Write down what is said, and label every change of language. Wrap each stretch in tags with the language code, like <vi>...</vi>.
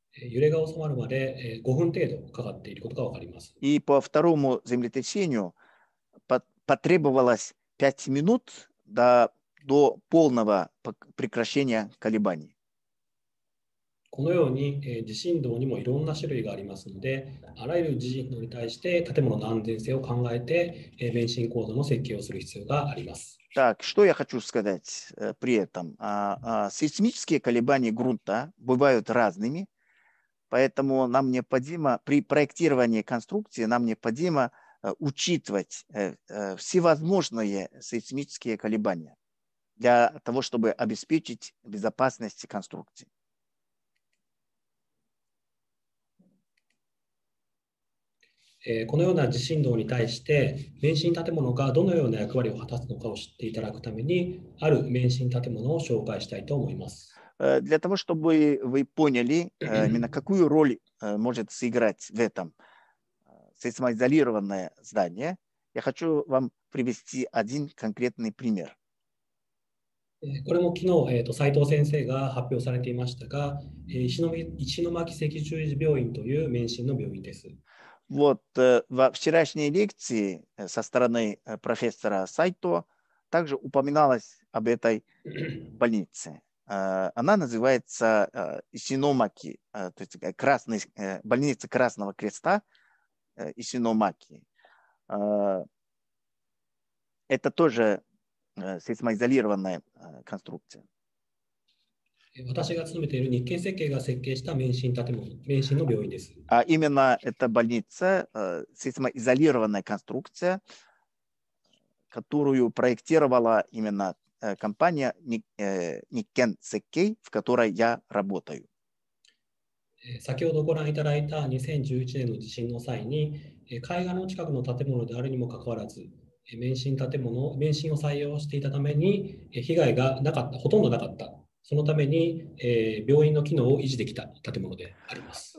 <ja>揺れが収まるまで5分程度かかっていることがわかります。</ja> <ru>И по второму землетрясению потребовалось 5 минут до полного прекращения колебаний.</ru> <ja>このように地震動にもいろんな種類がありますので、あらゆる地震動に対して建物の安全性を考えて免震構造の設計をする必要があります。</ja> <ru>Так, что я хочу сказать при этом. Сейсмические колебания грунта бывают разными. Поэтому нам необходимо при проектировании конструкции нам необходимо учитывать всевозможные сейсмические колебания для того, чтобы обеспечить безопасность конструкции.</ru> <ja>このような地震動に対して免震建物がどのような役割を果たすのかを知っていただくためにある免震建物を紹介したいと思います。</ja> <ru>Для того, чтобы вы поняли, именно какую роль может сыграть в этом сейсмоизолированное здание, я хочу вам привести один конкретный пример.</ru> <ja>これも昨日、斉藤先生が発表されていましたが、石巻赤十字病院という免震の病院です。</ja> <ru>Вот во вчерашней лекции со стороны профессора Сайто также упоминалось об этой больнице. Она называется Исиномаки, то есть больница Красного Креста Исиномаки. Это тоже сейсмоизолированная конструкция.</ru> <ja>私が勤めている日建設計が設計した免震建物、免震の病院です。</ja> <ru>あ、именно эта больница, сейсмоизолированная конструкция, которую проектировала именно компания Nikken Sekkei, в которой я работаю.</ru> <ja>先ほどご覧いただいた2011年の地震の際に、海岸の近くの建物であるにもかかわらず、免震建物、免震を採用していたために、被害がなかった、ほとんどなかった。そのために、病院の機能を維持できた建物であります。</ja>